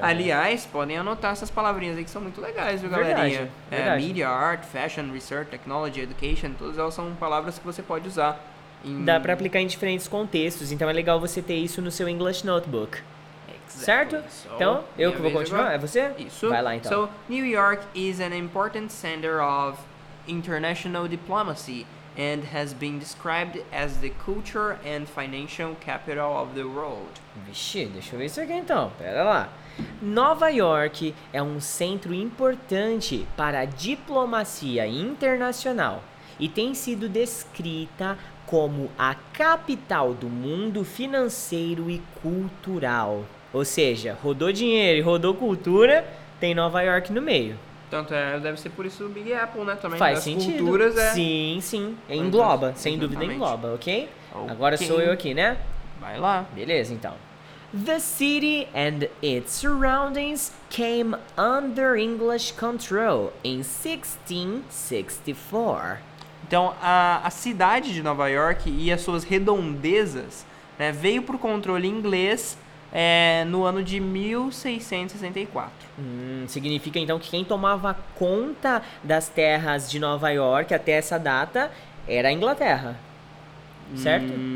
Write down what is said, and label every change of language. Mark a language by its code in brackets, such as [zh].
[pt] Aliás, podem anotar essas palavrinhas aí que são muito legais, viu, galerinha? Verdade. Media, art, fashion, research, technology, education, todas elas são palavras que você pode usar. Dá pra aplicar em diferentes contextos, então é legal você ter isso no seu English Notebook. [en] Exactly. [pt] Certo? [en] So, [pt] então, eu que vou continuar, agora. É você? Isso. Vai lá, então. [en] So, New York is an important center of international diplomacy and has been described as the culture and financial capital of the world. [pt] Vixe, deixa eu ver isso aqui então, pera lá. Nova York é um centro importante para a diplomacia internacional e tem sido descrita como a capital do mundo financeiro e cultural. Ou seja, rodou dinheiro e rodou cultura, tem Nova York no meio. Tanto é, deve ser por isso o Big Apple, né? Também faz das sentido. Culturas, é... Sim, sim. Engloba, sem exatamente. Dúvida engloba, okay? Ok? Agora sou eu aqui, né? Vai lá. Beleza, então. [en] The city and its surroundings came under English control in 1664. [pt] Então, a cidade de Nova York e as suas redondezas, né, veio pro controle inglês no ano de 1664. Significa, então, que quem tomava conta das terras de Nova York até essa data era a Inglaterra, certo?